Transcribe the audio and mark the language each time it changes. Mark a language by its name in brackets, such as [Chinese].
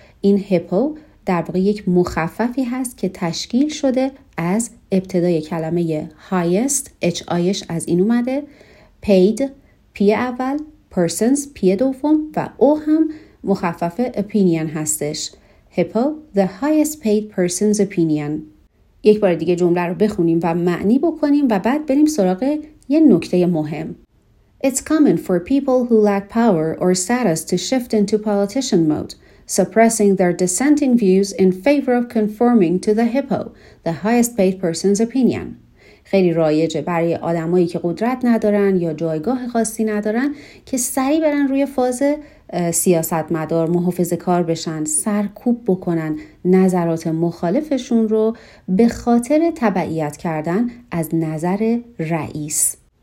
[Persian] این هیپو در واقع یک مخففی هست که تشکیل شده از ابتدای کلمه highest، H-I-ش از این اومده، paid، پی اول، persons، پی دوم، و او هم مخفف opinion هستش. [English] HiPPO, the highest paid person's opinion. [Persian] یک بار دیگه جمله رو بخونیم و معنی بکنیم و بعد بریم سراغ یه نکته مهم. [English] It's common for people who lack power or status to shift into politician mode, suppressing their dissenting views in favor of conforming to the hippo, the highest paid person's opinion. [Persian] خیلی رایجه برای آدمایی که قدرت ندارن یا جایگاه خاصی ندارن که سریع برن روی فاز سیاستمدار، محافظه‌کار بشن، سرکوب بکنن نظرات مخالفشون رو به خاطر تبعیت کردن از نظر رئیس.